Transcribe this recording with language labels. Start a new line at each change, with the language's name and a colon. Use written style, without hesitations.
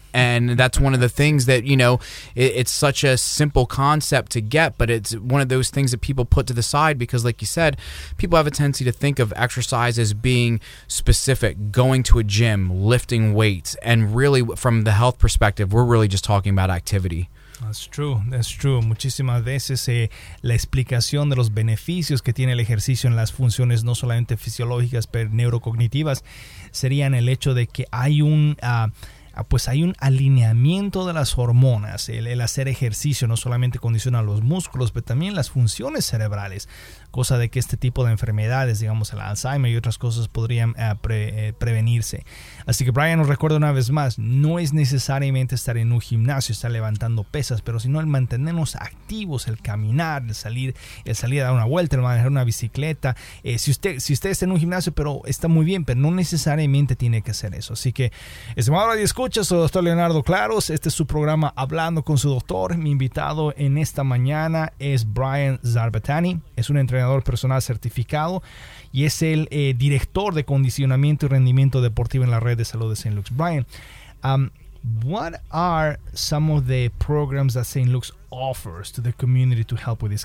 English: And that's one of the things that, you know, it's such a simple concept to get, but it's one of those things that people put to the side because, like you said, people have a tendency to think of exercise as being specific, going to a gym, lifting weights. And really, from the health perspective, we're really just talking about activity. That's true, that's true.
Spanish: Muchísimas veces la explicación de los beneficios que tiene el ejercicio en las funciones no solamente fisiológicas, pero neurocognitivas, serían el hecho de que hay un... pues hay un alineamiento de las hormonas. El hacer ejercicio no solamente condiciona los músculos, pero también las funciones cerebrales, cosa de que este tipo de enfermedades, digamos el Alzheimer y otras cosas, podrían prevenirse. Así que Brian nos recuerda una vez más, no es necesariamente estar en un gimnasio, estar levantando pesas, pero sino el mantenernos activos, el caminar, el salir a dar una vuelta, el manejar una bicicleta. Si usted está en un gimnasio, pero está muy bien, pero no necesariamente tiene que hacer eso. Así que, estimado radio escucha, soy doctor Leonardo Claros, este es su programa Hablando con su Doctor. Mi invitado en esta mañana es Brian Zarbatani, es un entrenador personal certificado y es el director de condicionamiento y rendimiento deportivo en la red de salud de St. Luke's.
English: Brian, what are some of the programs that St. Luke's offers to the community to help with this?